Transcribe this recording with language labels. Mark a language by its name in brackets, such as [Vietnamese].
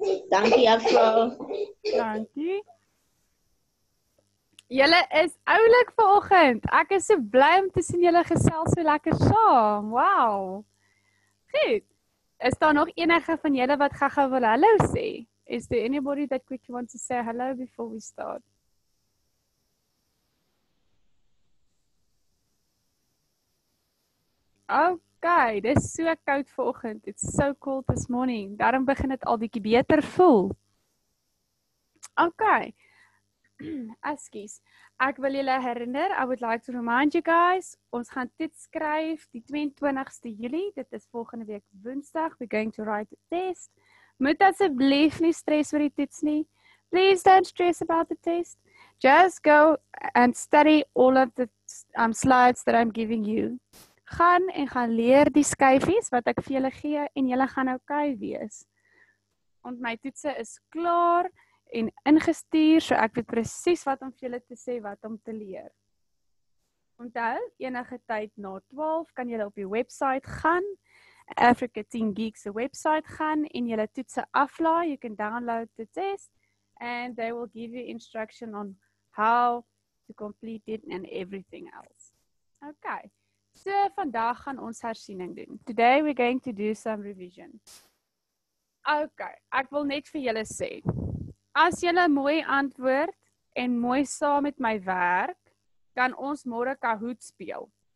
[Afrikaans] Dankie juffrou. Dankie. Julle is oulik vanoggend. Ek is so bly om te sien julle gesels so lekker saam. Wow. Goed. Is daar nog enige van julle wat gaga wil hallo sê? [English] Is there anybody that quickly wants to say hello before we start? [Afrikaans] Okay, dit is so koud vanoggend. [English] It's so cold this morning. [Afrikaans] Daarom begin het al bietjie beter voel. Okay. Askies. Ek wil julle herinner, [English] I would like to remind you guys, [Afrikaans] ons gaan dit skryf die 22ste Julie. Dit is volgende week woensdag. [English] We're going to write a test. [Afrikaans] Moet asseblief nie stres oor die toets nie. [English] Please don't stress about the test. Just go and study all of the slides that I'm giving you. [Afrikaans] Gaan en gaan leer die skyfies wat ek vir julle gee en julle gaan okay wees. Want my toetse is klaar en ingestuur, so ek weet presies wat om vir julle te sê, wat om te leer. Onthou, enige tyd na 12 kan julle op die website gaan. Africa Teen Geeks se website gaan en julle toetse aflaai. [English] You can download the test and they will give you instruction on how to complete it and everything else. [Afrikaans] Okay. So vandag gaan ons hersiening doen. [English] Today we're going to do some revision. [Afrikaans] Okay, ek wil net vir julle sê, as julle mooi antwoord en mooi saam met my werk, kan ons môre Kahoot speel.